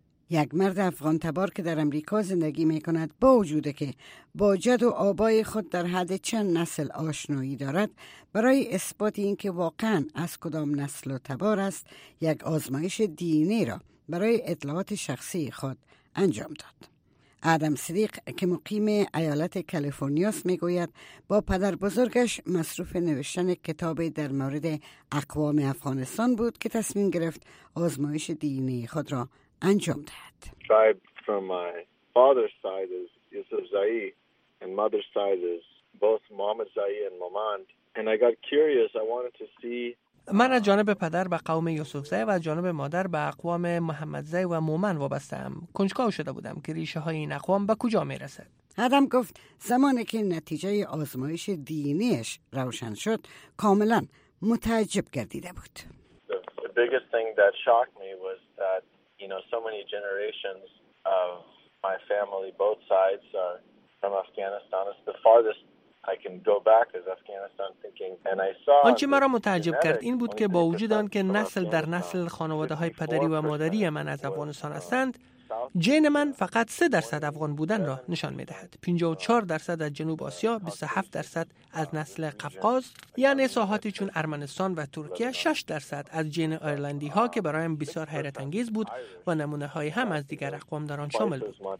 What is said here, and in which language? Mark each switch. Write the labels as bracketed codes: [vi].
[fa] یک مرد افغان تبار که در امریکا زندگی می کند، با وجود که با جد و آبای خود در حد چند نسل آشنایی دارد، برای اثبات این که واقعا از کدام نسل و تبار است، یک آزمایش دینی را برای اطلاعات شخصی خود انجام داد. آدم صدیق که مقیم ایالت کالیفرنیا است می گوید با پدر بزرگش مصروف نوشتن کتابی در مورد اقوام افغانستان بود که تصمیم گرفت آزمایش دینی خود را انجام دهد. [en] Tribe from my father's side is Yusufzai and mother's side is both Muhammadzai and Mamand and I got curious, I wanted to see [fa] من از جانب پدر به قوم یوسفزای و از جانب مادر به اقوام محمدزای و مومن وابستم. کنجکاو شده بودم که ریشه های این اقوام به کجا می رسد. آدم گفت زمانی که نتیجه آزمایش دینیش روشن شد کاملا متعجب گردیده بود. [en] The biggest thing that shocked me was that, you know, so many generations of my family, both sides are from Afghanistan. It's the farthest I can go back as Afghanistan thinking and I saw [fa] آنچه مرا متعجب کرد این بود که با وجود آن که نسل در نسل خانواده های پدری و مادری من از افغانستان هستند، جن من فقط 3% افغان بودن را نشان می‌دهد. 54% از جنوب آسیا، 27% از نسل قفقاز، یعنی ساحاتی چون ارمنستان و ترکیه، 6% از جن آیرلندی‌ها که برایم بسیار حیرت انگیز بود و نمونه‌های هم از دیگر اقوام در آن شامل بود.